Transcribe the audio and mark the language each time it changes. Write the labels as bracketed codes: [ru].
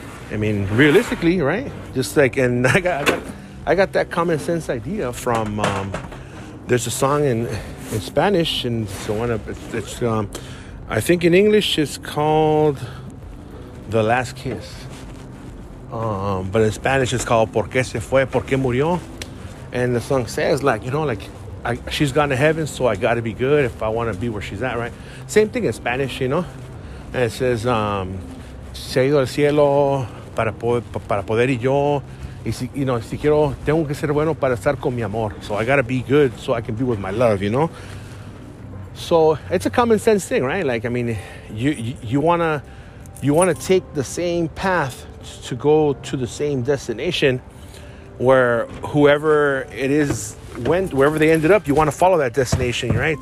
[en] I mean, realistically, right? Just like, and I got that common sense idea from there's a song in Spanish, and so on. It's I think in English it's called The Last Kiss. But in Spanish it's called Por qué se fue, por qué murió. And the song says, like, you know, like, she's gone to heaven, so I gotta be good if I wanna be where she's at, right? Same thing in Spanish, you know? [es] And it says, se ha ido al cielo para poder y yo. [en] You know, [es] si quiero, tengo que ser bueno para estar con mi amor. [en] So I gotta be good so I can be with my love, you know? So it's a common sense thing, right? Like, I mean, you wanna take the same path to go to the same destination, where whoever it is, went, wherever they ended up, you want to follow that destination, right?